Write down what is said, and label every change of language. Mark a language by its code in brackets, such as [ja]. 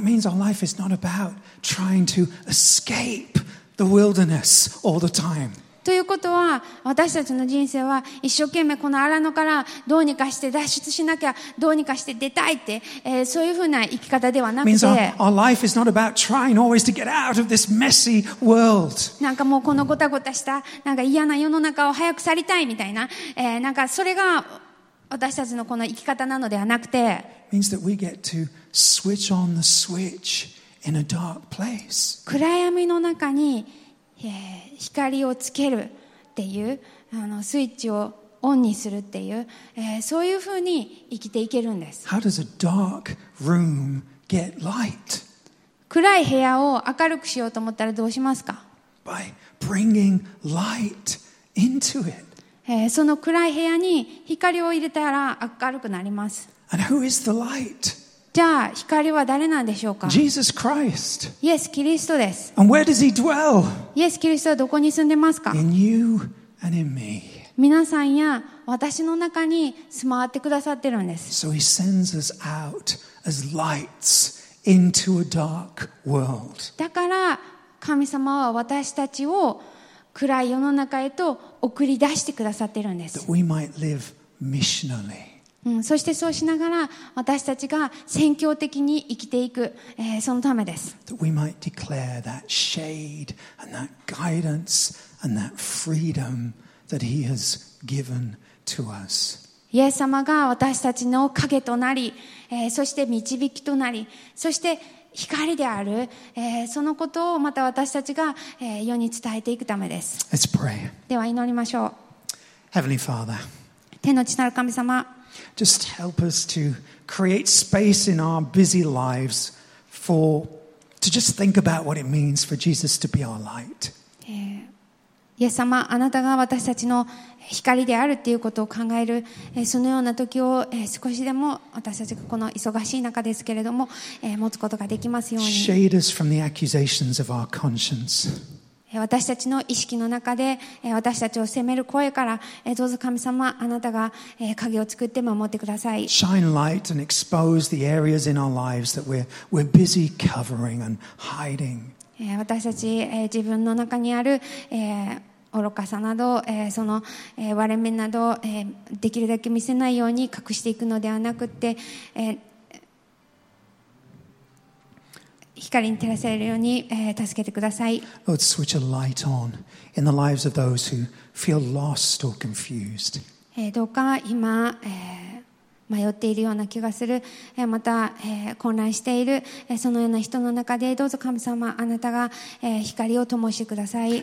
[en] That means our life is not about trying to escape the wilderness all the time. [ja] ということは、私たちの人生は一生懸命この荒野からどうにかして脱出しなきゃ、どうにかして出たいって、そういうふうな生き方ではなくて、 [en] our life is not about trying always to get out of this messy world. [ja] なんかもうこのごたごたしたなんか嫌な世の中を早く去りたいみたいな、なんかそれが私たちのこの生き方なのではなくて、 [en] means that we get to switch on the switch in a dark place. [ja] 暗闇の中に。光をつけるっていう、あのスイッチをオンにするっていう、そういうふうに生きていけるんです。 [en] How does a dark room get light? [ja] 暗い部屋を明るくしようと思ったらどうしますか? [en] By bringing light into it. [ja] その暗い部屋に光を入れたら明るくなります。 [en] And who is the light? [ja] じゃあ光は誰なんでしょうか。 [en] Jesus Christ. [ja] イエス・キリストです。 [en] And where does he dwell? [ja] イエス・キリストはどこに住んでますか。 [en] In you and in me. [ja] 皆さんや私の中に住まわってくださってるんです。 [en] So he sends us out as lights into a dark world. [ja] だから神様は私たちを暗い世の中へと送り出してくださってるんです。 [en] That we might live missionally. [ja] うん、そしてそうしながら私たちが宣教的に生きていく、そのためです。 [en] That we might declare that shade and that guidance and that freedom that he has given to us. [ja] イエス様が私たちの影となり、そして導きとなり、そして光である、そのことをまた私たちが、世に伝えていくためです。 [en] Let's pray. [ja] では祈りましょう。 [en] Heavenly Father. [ja] 天の父なる神様。 [en] Just help us to create space in our busy lives for to just think about what it means for Jesus to be our light. [ja] イエス様、あなたが私たちの光であるっていうことを考える、そのような時を、少しでも私たちがこの忙しい中ですけれども、持つことができますように。 [en] Shade us from the accusations of our conscience. [ja] 私たちの意識の中で私たちを責める声からどうぞ神様あなたが影を作って守ってください。 [en] Shine light and expose the areas in our lives that we're busy covering and hiding. [ja] 私たち自分の中にある愚かさなどその割れ目などできるだけ見せないように隠していくのではなくて光に照らされるように、助けてください。 [en] Lord, switch a light on in the lives of those who feel lost or confused. [ja] どうか今、迷っているような気がする、また、混乱している、そのような人の中でどうぞ神様あなたが、光を灯してください。